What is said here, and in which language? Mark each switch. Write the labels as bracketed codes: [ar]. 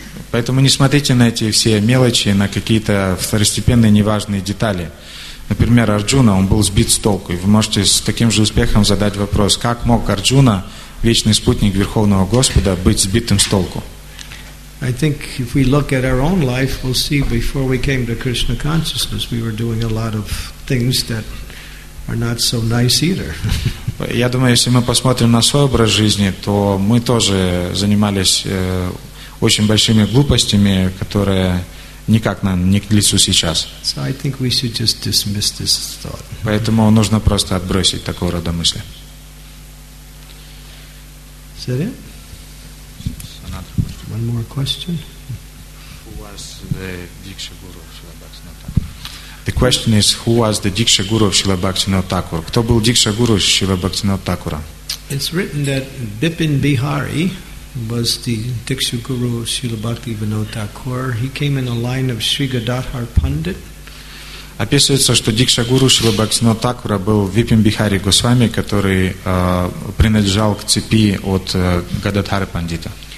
[ru] Поэтому не смотрите на эти все мелочи, на какие-то второстепенные неважные детали. Например, Арджуна, он был сбит с толку. И вы можете с таким же успехом задать вопрос, как мог Арджуна, вечный спутник Верховного Господа, быть сбитым с толку? [en] I think if we look at our own life, we'll see before we came to Krishna consciousness, we were doing a lot of things that are not so nice either. [ru] Я думаю, если мы посмотрим на свой образ жизни, то мы тоже занимались очень большими глупостями, которые никак нам не к лицу сейчас. [en] So I think we should just dismiss this thought. [ru] Поэтому нужно просто отбросить такого рода мысли. [en] Is that it? One more question? Who was the Diksha Guru of Srila Bhaktivinoda Thakura? The question is, who was the Diksha Guru of Srila Bhaktivinoda Thakura? [ru] Кто был Диксха Гуру Шрила Бхактивинода Тхакура? [en] It's written that Bipin Bihari was the Diksha Guru of Srila Bhaktivinoda Thakura. He came in the line of Sri Gadadhar Pandit. [ru] Описывается, что Диксха Гуру Шрила Бхактивинода Тхакура был Бипин Бихари Госвами, который принадлежал к цепи от Гададхара Пандита.